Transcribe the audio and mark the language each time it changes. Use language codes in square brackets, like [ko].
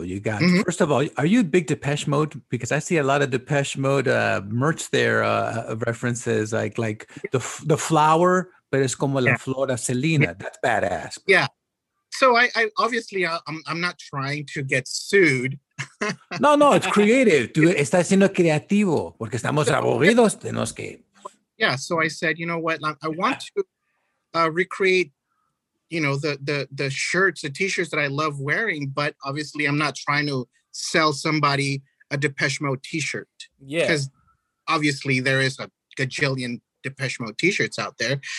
[en] You got, first of all, are you a big Depeche Mode? Because I see a lot of Depeche Mode merch there, references, like the flower, but it's [es] como la flora [en] Selena. Yeah. That's badass. Yeah. So I obviously I'm not trying to get sued. No, it's creative. [es] Está siendo creativo porque estamos aburridos, tenemos que. [en] Yeah, so I said, you know what, I want to recreate, you know, the shirts, the t-shirts that I love wearing, but obviously I'm not trying to sell somebody a Depeche Mode t-shirt. Yeah. Cuz obviously there is a gajillion Depeche Mode t-shirts out there.